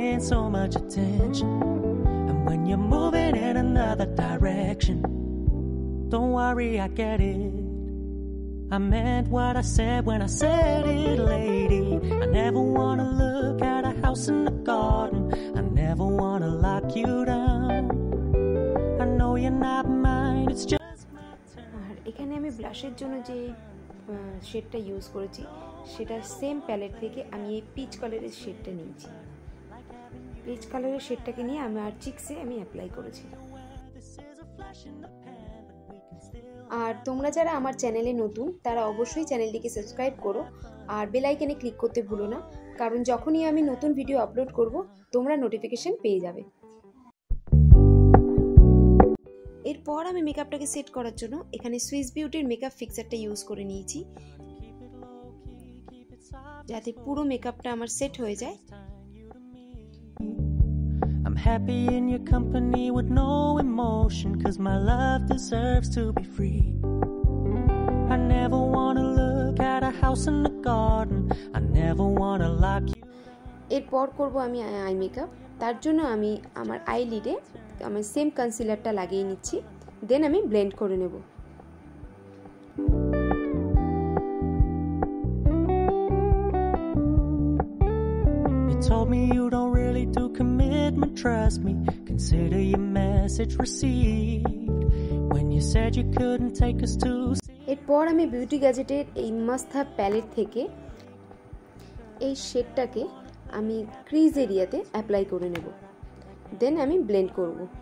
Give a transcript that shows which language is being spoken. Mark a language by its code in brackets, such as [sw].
[en] So much attention, and when you're moving in another direction, don't worry, I get it. I meant what I said when I said it, lady. I never wanna look at a house in the garden, I never wanna lock you down. I know you're not mine, it's just my turn. [bn] এখানে আমি ব্লাশের জন্য যে শেডটা use করেছি সেটা same palette থেকে আমি এই পিচ কালারের শেডটা নিয়েছি। পিচ কালারের শেডটাকে নিয়ে আমি আর চিকসে আমি অ্যাপ্লাই করেছিলাম। আর তোমরা যারা আমার চ্যানেলে নতুন তারা অবশ্যই চ্যানেলটিকে সাবস্ক্রাইব করো, আর বেল আইকনে ক্লিক করতে ভুলো না, কারণ যখনই আমি নতুন ভিডিও আপলোড করব তোমরা নোটিফিকেশন পেয়ে যাবে। এরপর আমি মেকআপটাকে সেট করার জন্য এখানে সুইস বিউটির মেকআপ ফিক্সারটা ইউজ করে নিয়েছি, যাতে পুরো মেকআপটা আমার সেট হয়ে যায়। [en] I'm happy in your company with no emotion, 'cause my love deserves to be free. I never wanna look at a house in the garden, I never wanna lock you. [bn] এরপর করব আমি eye makeup. তার জন্য আমি আমার আইলিডে আমার same কনসিলারটা লাগিয়ে নিচ্ছি, দেন আমি ব্লেন্ড করে নেব। [en] Told me you don't really do commitment, trust me, consider your message received. When you said you couldn't take us too seriously. [bn] এরপর আমি বিউটি গ্যাজেটের এই মাস্থা প্যালেট থেকে এই শেডটাকে আমি ক্রিজ এরিয়াতে অ্যাপ্লাই করে নেব, দেন আমি ব্লেন্ড করব।